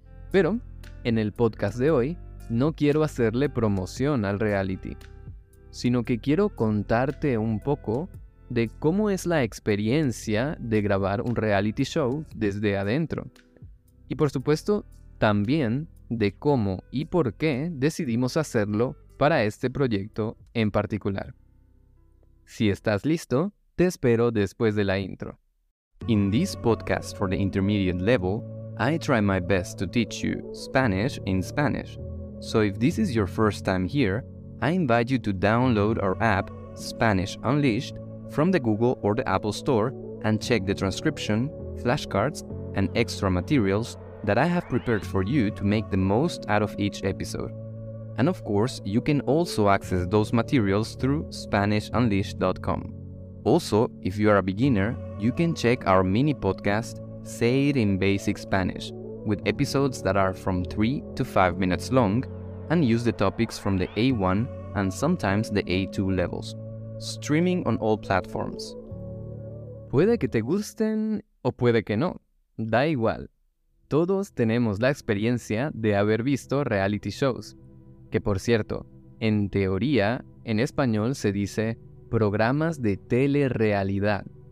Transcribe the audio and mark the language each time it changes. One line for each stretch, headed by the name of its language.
Spanish: Pero, en el podcast de hoy, no quiero hacerle promoción al reality, sino que quiero contarte un poco de cómo es la experiencia de grabar un reality show desde adentro. Y por supuesto, también de cómo y por qué decidimos hacerlo para este proyecto en particular. Si estás listo, te espero después de la intro.
English: In this podcast for the intermediate level, I try my best to teach you Spanish in Spanish. So if this is your first time here, I invite you to download our app, Spanish Unleashed, from the Google or the Apple Store and check the transcription, flashcards, and extra materials that I have prepared for you to make the most out of each episode. And of course, you can also access those materials through SpanishUnleashed.com. Also, if you are a beginner, you can check our mini podcast, Say It in Basic Spanish, with episodes that are from 3 to 5 minutes long, and use the topics from the A1 and sometimes the A2 levels. Streaming on all platforms.
Spanish: Puede que te gusten o puede que no. Da igual. Todos tenemos la experiencia de haber visto reality shows. Que por cierto, en teoría, en español se dice programas de telerrealidad.